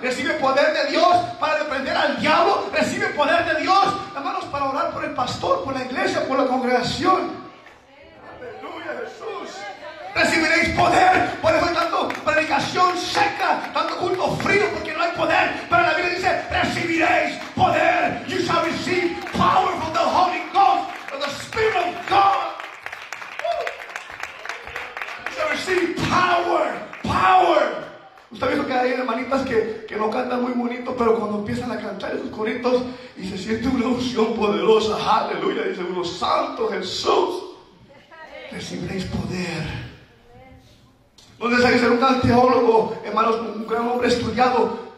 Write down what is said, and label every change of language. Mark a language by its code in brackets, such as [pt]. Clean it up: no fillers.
[es] Recibe poder de Dios para reprender al diablo. Recibe poder de Dios, hermanos, para orar por el pastor, por la iglesia, por la congregación. Aleluya, Jesús. Recibiréis poder. Por eso hay tanto predicación seca, tanto culto frío, porque no hay poder. Pero la Biblia dice: recibiréis poder. [en] You shall receive power from the Holy Ghost, from the Spirit of God. You shall receive power. Power. [es] Usted ha visto que hay hermanitas que no cantan muy bonito, pero cuando empiezan a cantar esos coritos y se siente una unción poderosa. Aleluya. Dice uno: Santo Jesús. Recibiréis poder. No es necesario ser un gran teólogo, hermanos, un gran hombre estudiado.